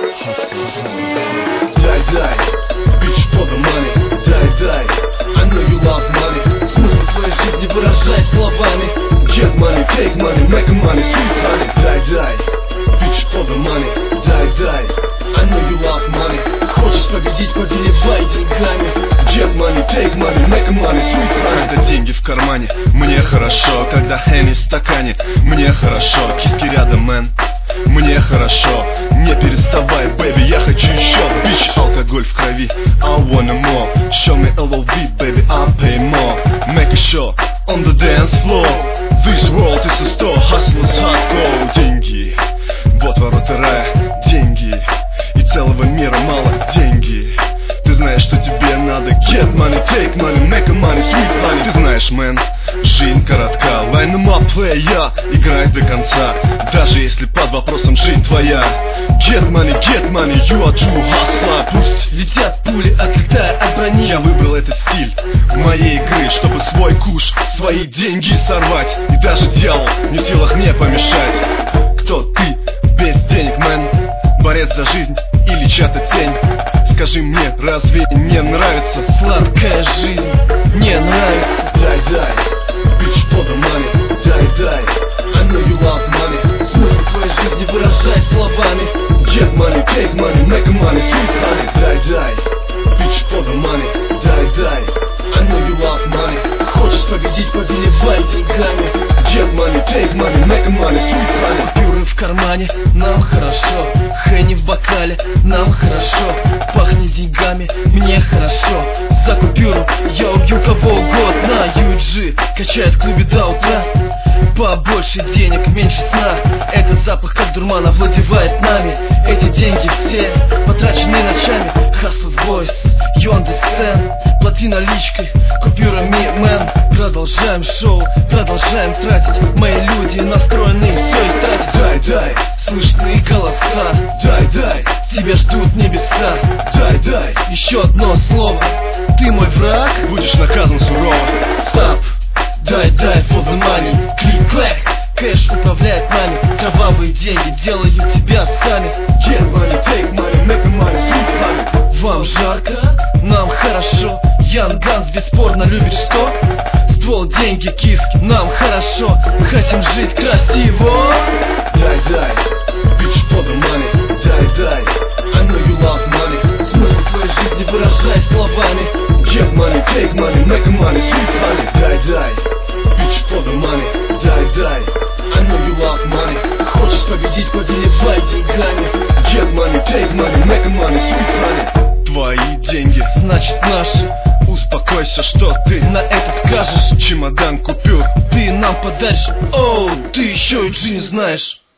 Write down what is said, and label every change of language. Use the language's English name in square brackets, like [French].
[English] Die, die, bitch for the money. Die, die, I know you love money. [Russian] Смысл своей жизни выражай словами. [English] Get money, take money, make money, sweet honey. Die, die, bitch for the money. Die, die, I know you love money. [Russian] Хочешь победить, повелевай деньгами. [English] Get money, take money, make money, sweet honey. [Russian] Это деньги в кармане. Мне хорошо, когда хэмми в стакане. Мне хорошо, киски рядом, мэн. Мне хорошо, не переставай, baby, я хочу еще. Бич, алкоголь в крови, [English] I wanna more. Show me LOV, baby, I'm pay more. Make a show, on the dance floor. This world is a store, hustle is hardcore. [Russian] Деньги, вот ворота рая, деньги. И целого мира мало, деньги. Ты знаешь, что тебе надо. [English] Get money, take money, make money, sweet money. [Russian] Ты знаешь, man, жизнь коротка. [English] Line them up, play, yeah. [Russian] Играй до конца. Даже если под вопросом жизнь твоя. [English] Get money, you are true hustler. [Russian] Пусть летят пули, отлетая от брони. Я выбрал этот стиль моей игры, чтобы свой куш, свои деньги сорвать. И даже дьявол не в силах мне помешать. Кто ты без денег, man? Борец за жизнь или чья-то тень? Скажи мне, разве не нравится сладкая жизнь? Не нравится. [English] Die, die, bitch for the money. Die, die, I know you love money. [Russian] Смысл своей жизни выражай словами. [English] Get money, take money, make money, sweet honey. Die, die, bitch for the money. Die, die, I know you love money. [Russian] Хочешь победить, повелевай деньгами. [English] Get money, take money, make money, sweet honey. [Russian] Купюры в кармане, нам хорошо. Хэнни в бокале, нам хорошо. Пахни деньгами, мне хорошо. За купюру я убью кого угодно. UG качает в клубе до утра. Побольше денег, меньше сна. Этот запах, как дурман, овладевает нами. Эти деньги все потрачены ночами. [English] Hustle's boys, you understand. [Russian] Плати наличкой, купюрами, man. Продолжаем шоу, продолжаем тратить. Мои люди настроены все истратить. Дай, дай, слышны голоса. Дай, дай, тебя ждут небеса. Дай, дай, еще одно слово. Ты мой враг, будешь наказан сурово. [English] Stop, die, die for the money. [Russian] Клик-клэк, кэш управляет нами. Кровавые деньги делают тебя сами. [English] Get money, take money, make money, sweet money. [Russian] Вам жарко? Нам хорошо. Ян Ганс бесспорно любит что? Ствол, деньги, киски, нам хорошо. Мы хотим жить красиво. [English] Die, die, bitch for the money. Die, die, I know you love money. [Russian] Смысл своей жизни выражай словами. [English] Get money, take money, make money, sweet honey. Die, die, bitch for the money. Die, die, I know you love money. [Russian] Хочешь победить, повелевай деньгами. [English] Get money, take money, make money, sweet honey. [Russian] Твои деньги, значит наши. Успокойся, что ты на это скажешь. Чемодан купюр, ты нам подальше. Оу, ты еще и джи не знаешь.